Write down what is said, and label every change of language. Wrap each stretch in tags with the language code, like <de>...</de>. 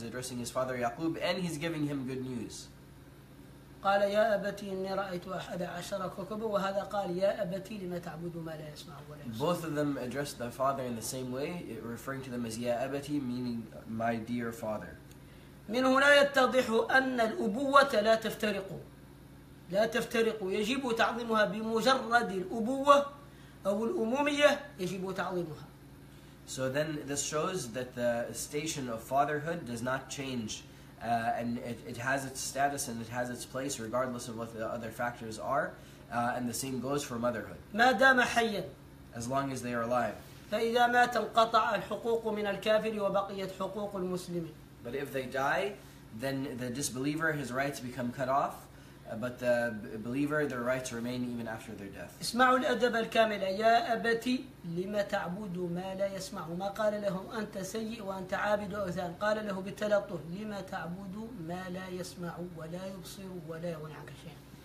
<en>He's addressing his father Yaqub, and he's giving him good news.</en> <ar>قال يا أبتي إني رأيت أحد عشر كوكبا وهذا قال يا أبتي لما تعبد ما لا يسمع ولا يبصر.</ar> <en>Both of them address the father in the same way, referring to them as</en> <ar>يا أبتي,</ar> <en>meaning my dear father.</en> <ar>من هنا يتضح أن الأبوة لا تفترق. لا تفترق يجب تعظيمها بمجرد الأبوة أو الأمومية يجب تعظيمها.</ar> <en>So then this shows that the station of fatherhood does not change, and it has its status and it has its place regardless of what the other factors are, and the same goes for motherhood.</en> <ar>ما دام حيا.</ar> <en>As long as they are alive.</en> <ar>فإذا مات انقطع الحقوق من الكافر وبقيت حقوق المسلمين.</ar> <en>But if they die, then the disbeliever, his rights become cut off. But the believer, their rights remain even after their death.</en> <ar>اسمعوا الأدب الكامل يا أبتي لما تعبد ما لا يسمع ما قال لهم أنت سيء وأنت عابد أوثان قال له بالتلطف لما تعبد ما لا يسمع ولا يبصر ولا يغني عنك شيئا.</ar>